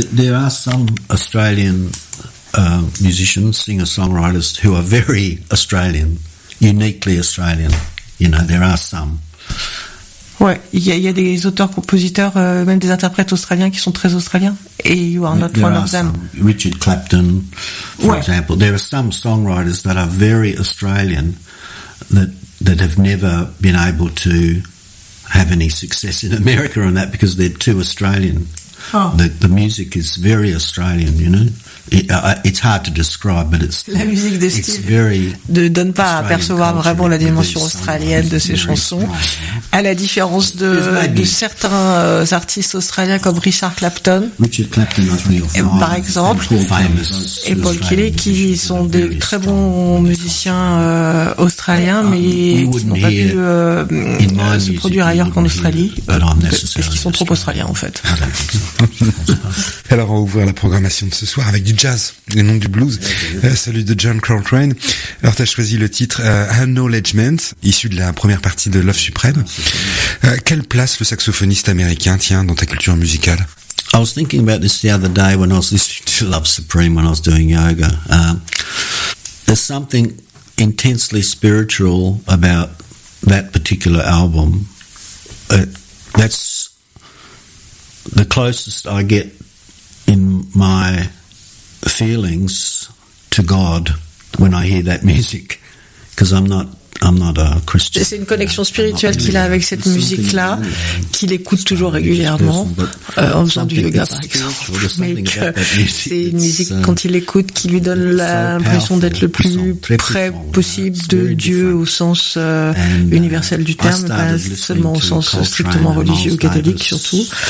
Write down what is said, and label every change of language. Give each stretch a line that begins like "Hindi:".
English: There are some Australian musicians, singer songwriters who are very Australian, uniquely Australian. You know, there are some.
French: Ouais, il y a des auteurs-compositeurs, même des interprètes australiens qui sont très australiens.
English: Et you are not there one of them. Richard Clapton, for example. There are some songwriters that are very Australian that have never been able to have any success in America on that because they're too Australian. The music is very Australian, you know. It's hard to describe, but it's
French: la musique de Steve ne donne pas à percevoir vraiment la dimension australienne de ses chansons, à la différence de certains artistes australiens comme Richard Clapton par exemple, et Paul Kelly, qui sont des très bons musiciens australiens, mais qui n'ont pas pu se produire ailleurs qu'en Australie parce qu'ils sont trop australiens en fait. Alors on va ouvrir la programmation de ce soir avec du jazz et non du blues. Salut de John Coltrane. Alors t'as choisi le titre Acknowledgement, issu de la première partie de Love Supreme. Quelle place le saxophoniste américain tient dans ta culture musicale?
English: I was thinking about this the other day when I was listening to Love Supreme when I was doing yoga. There's something intensely spiritual about that particular album. That's the closest I get in my feelings to God when I hear that music, because I'm not a Christian.
French: C'est une connexion spirituelle qu'il a avec cette musique-là, qu'il écoute toujours régulièrement, en faisant du yoga, par exemple. Mais que c'est une musique, quand il l'écoute, qui lui donne l'impression d'être le plus près possible de Dieu au sens universel du terme, pas seulement au sens strictement religieux ou catholique, surtout.